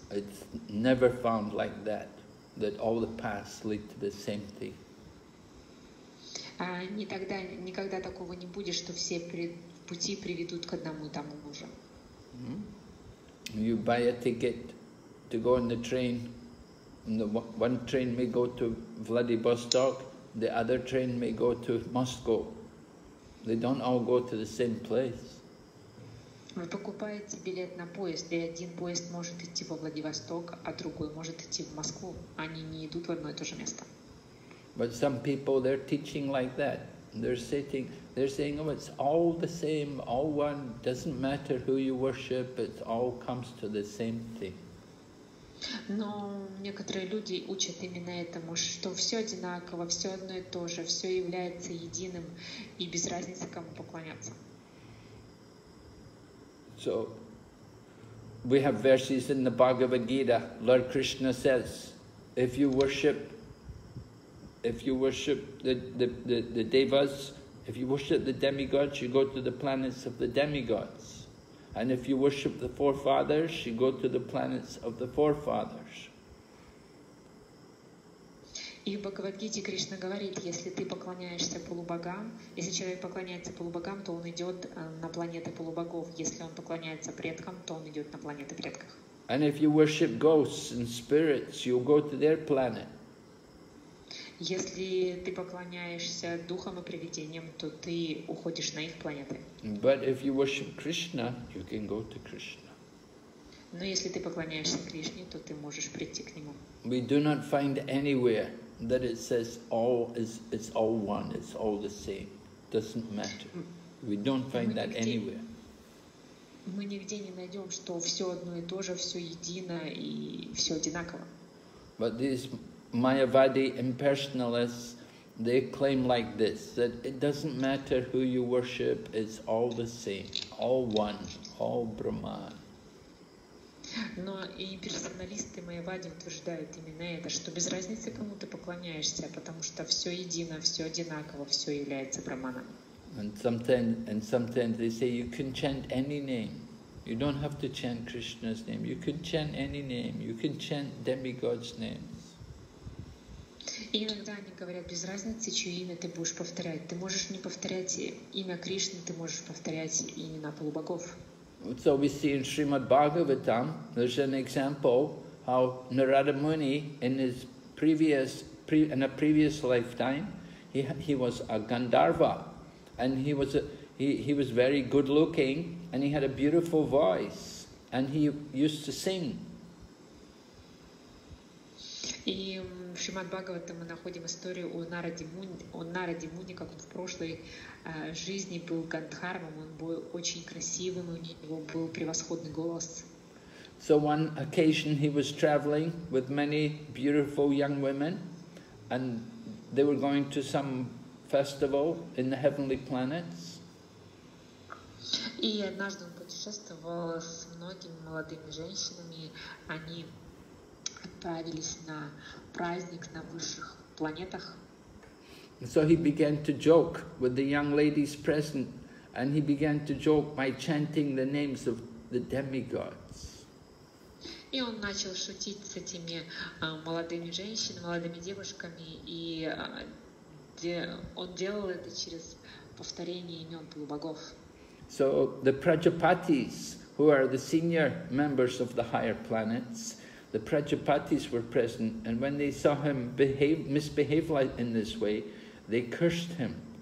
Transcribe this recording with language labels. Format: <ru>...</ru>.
<en>It's never found like that, that all the paths lead to the same thing.</en> <ru>Никогда такого не будет, что все пути приведут к одному и тому же.</ru> <en>You buy a ticket to go on the train. And the one train may go to Vladivostok, the other train may go to Moscow. They don't all go to the same place.</en> <ru>Вы покупаете билет на поезд, и один поезд может идти во Владивосток, а другой может идти в Москву. Они не идут в одно и то же место.</ru> <en>But some people, they're teaching like that. They're saying, oh, it's all the same, all one, doesn't matter who you worship, it all comes to the same thing.</en> <ru>Но некоторые люди учат именно этому, что все одинаково, все одно и то же, все является единым, и без разницы, кому поклоняться.</ru> <en>So, we have verses in the Bhagavad Gita. Lord Krishna says, if you worship the devas, if you worship the demigods, you go to the planets of the demigods. And if you worship the forefathers, you go to the planets of the forefathers.</en> <ru>И в Бхагавад-гите Кришна говорит, если ты поклоняешься полубогам, если человек поклоняется полубогам, то он идет на планеты полубогов. Если он поклоняется предкам, то он идет на планеты предков.</ru> <en>And if you worship ghosts and spirits, you go to their planet.</en> <ru>Если ты поклоняешься духам и привидениям, то ты уходишь на их планеты.</ru> <en>But if you worship Krishna, you can go to Krishna.</en> <ru>Но если ты поклоняешься Кришне, то ты можешь прийти к Нему.</ru> <en>We do not find anywhere that it says all is it's all one, it's all the same, doesn't matter. We don't find that anywhere.</en> <ru>Мы нигде не найдем, что все одно и то же, все едино и все одинаково.</ru> <en>But these Mayavadi impersonalists, they claim like this, that it doesn't matter who you worship, it's all the same, all one, all Brahman.</en> <ru>Но и персоналисты Майявади утверждают именно это, что без разницы, кому ты поклоняешься, потому что все едино, все одинаково, все является Брахманом.</ru> <en>And sometimes they say you can chant any name. You don't have to chant Krishna's name. You can chant any name. You can chant demigod's names.</en> <ru>И иногда они говорят, без разницы, чье имя ты будешь повторять. Ты можешь не повторять имя Кришны, ты можешь повторять имена полубогов.</ru> <en>So we see in Srimad Bhagavatam, there's an example how Narada Muni in a previous lifetime, he was a Gandharva, and he was very good looking, and he had a beautiful voice, and he used to sing.</en> <ru>И в Шримад Бхагаватам мы находим историю о Нараде Муни, как он в прошлой жизни был гандхарвом, он был очень красивым, у него был превосходный голос.</ru> <en>So one occasion he was traveling with many beautiful young women, and they were going to some festival in the heavenly planets.</en> <ru>И однажды он путешествовал с многими молодыми женщинами, они отправились на праздник на высших планетах.</ru> <en>So he began to joke with the young ladies present, and he began to joke by chanting the names of the demigods.</en> <ru>И он начал шутить с этими молодыми женщинами, молодыми девушками, и он делал это через повторение имен полубогов.</ru> <en>So the Prajapatis, who are the senior members of the higher planets, the Prajapatis were present, and when they saw him misbehave like in this way, they cursed him.</en>